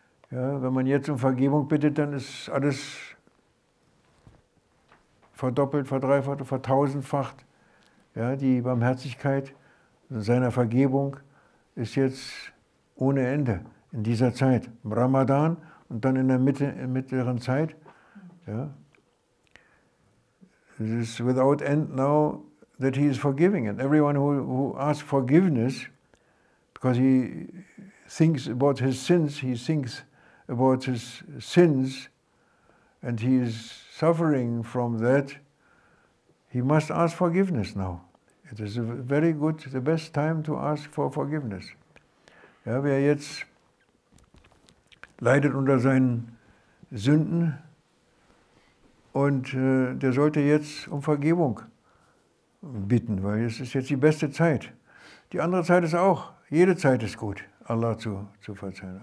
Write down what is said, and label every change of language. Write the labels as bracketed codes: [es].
[de] Ja, wenn man jetzt um Vergebung bittet, dann ist alles verdoppelt, verdreifacht, vertausendfacht. Ja, die Barmherzigkeit seiner Vergebung ist jetzt ohne Ende in dieser Zeit, im Ramadan und dann in der Mitte, in mittleren Zeit. Ja. [en] It is without end now that he is forgiving. And everyone who asks forgiveness, because he thinks about his sins, he thinks about his sins, and he is suffering from that, he must ask forgiveness now. It is a very good, the best time to ask for forgiveness. [de] Ja, wer jetzt leidet unter seinen Sünden, und der sollte jetzt um Vergebung bitten, weil es ist jetzt die beste Zeit. Die andere Zeit ist auch, jede Zeit ist gut, Allah zu verzeihen.